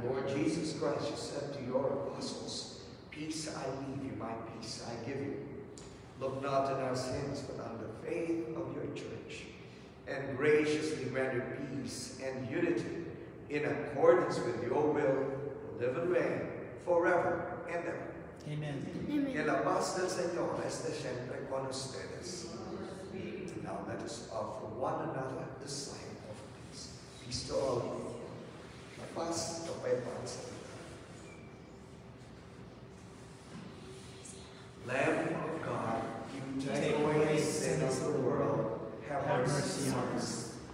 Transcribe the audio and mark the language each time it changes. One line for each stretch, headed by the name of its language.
English: Lord Jesus Christ, you said to your apostles, "Peace I leave you, my peace I give you. Look not on our sins, but on the faith of your church, and graciously grant you peace and unity in accordance with your will, live and reign forever and ever." Amen.
Spanish: Que la paz del Señor esté siempre con ustedes.
English: Now let us offer one another the sign of peace. Peace to all of you.
Spanish: La paz, la paz.
English: Lamb of God, you take away the sin of the world, have mercy on us.